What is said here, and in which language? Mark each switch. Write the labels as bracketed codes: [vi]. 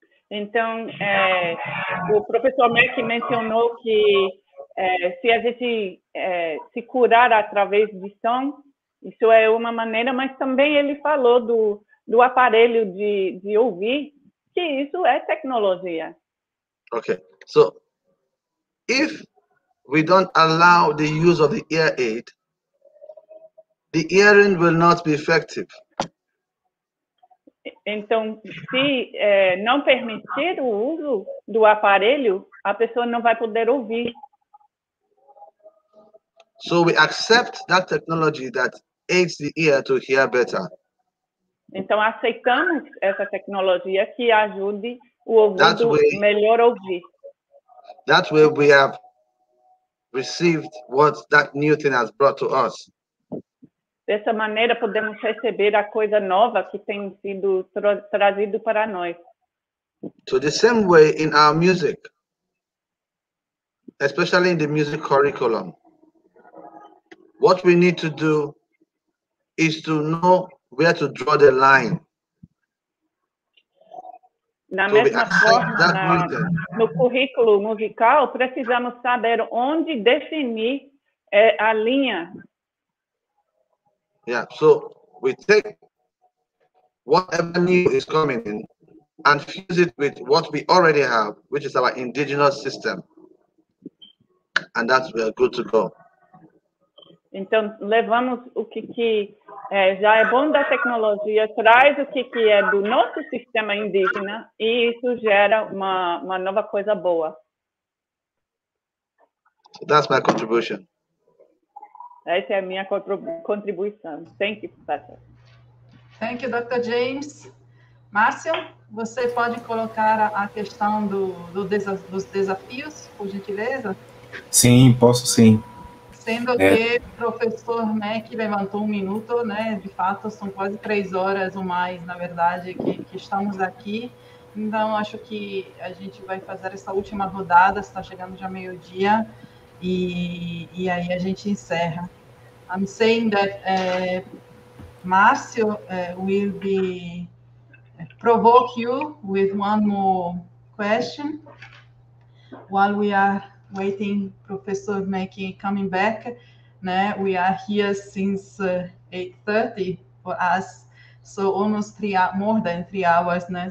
[pt] Então, o professor Merck mencionou que se a gente se curar através de som, isso é uma maneira, mas também ele falou do aparelho de ouvir, que isso é tecnologia. Ok. [en] So, if we don't allow the use of the ear aid, the hearing will not be effective. [pt] Então, se não permitir o uso do aparelho, a pessoa não vai poder ouvir. [en] So we accept that technology that aids the ear to hear better. [pt] Então, aceitamos essa tecnologia que ajude o ouvido melhor ouvir. [en] That way we have received what that new thing has brought to us. [pt] Dessa maneira, podemos receber a coisa nova que tem sido trazido para nós. [en] So the same way in our music, especially in the music curriculum, what we need to do is to know where to draw the line. [pt] Na mesma forma, no currículo musical, precisamos saber onde definir a linha. [en] Yeah, so we take whatever new is coming in and fuse it with what we already have, which is our indigenous system, and that's where we're good to go. [pt] Então, levamos o que já é bom da tecnologia, traz o que é do nosso sistema indígena, e isso gera uma nova coisa boa. [en] So that's my contribution. [pt] Essa é a minha contribuição. [en] Thank you, professor. Thank you, Dr. James. [pt] Márcio, você pode colocar a questão dos desafios, por gentileza? Sim, posso sim. Sendo que o professor, né, que levantou um minuto, né, de fato são quase 3 horas ou mais, na verdade, que estamos aqui. Então, acho que a gente vai fazer essa última rodada, está chegando já meio-dia, e aí a gente encerra. [en] I'm saying that Márcio will be provoke you with one more question while we are waiting, Professor Mackie coming back. Né? We are here since 8:30 for us, so almost more than three hours. Né?